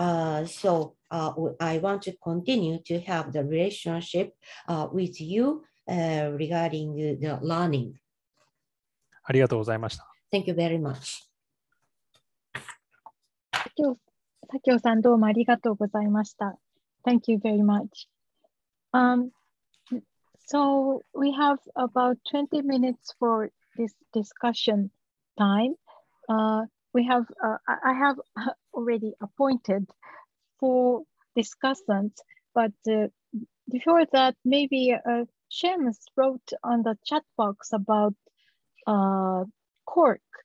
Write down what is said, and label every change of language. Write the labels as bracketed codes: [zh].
[en] I want to continue to have the relationship with you regarding the learning. [ja] ありがとうございました。 [en] Thank you very much. [ja] 佐京さん、どうもありがとうございました。 [en] Thank you very much. So we have about 20 minutes for this discussion time. I have already appointed four discussants, but before that, maybe Seamus wrote on the chat box about Cork.